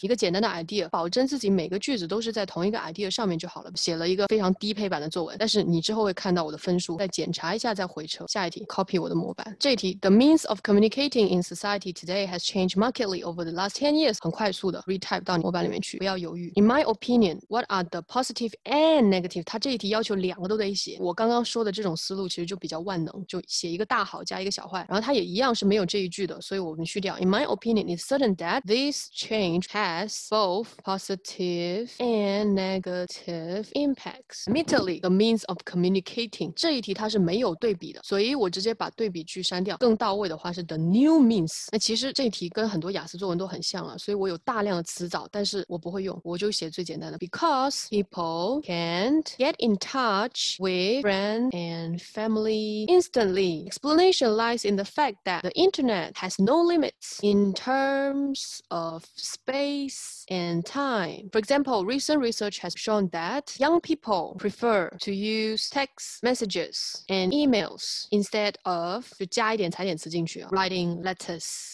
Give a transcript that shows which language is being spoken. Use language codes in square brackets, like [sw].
[zh] 一个简单的 idea， 保证自己每个句子都是在同一个 idea 上面就好了。写了一个非常低配版的作文，但是你之后会看到我的分数，再检查一下再回车。下一题 ，copy 我的模板。 [en] 这一题，The means of communicating in society today has changed markedly over the last 10 years。 [zh] 很快速的 retype 到你模板里面去，不要犹豫。 In my opinion, what are the positive and negative？它这一题要求两个都得写。我刚刚说的这种思路其实就比较万能，就写一个大好加一个小坏，然后它也一样是没有这一句的，所以我们去掉。 [en] In my opinion, it's certain that this change has both positive and negative impacts. [zh] Admittedly, the means of communicating 这一题它是没有对比的，所以我直接把对比句删掉。更到位的话是 the new means。那其实这一题跟很多雅思作文都很像啊，所以我有大量的词藻，但是我不会用，我就写最简单的。 [en] Because people can't get in touch with friends and family instantly. Explanation lies in the fact that the internet has no limits in terms of space and time. For example, recent research has shown that young people prefer to use text messages and emails instead of 就加一点裁剪词进去、啊、 writing letters.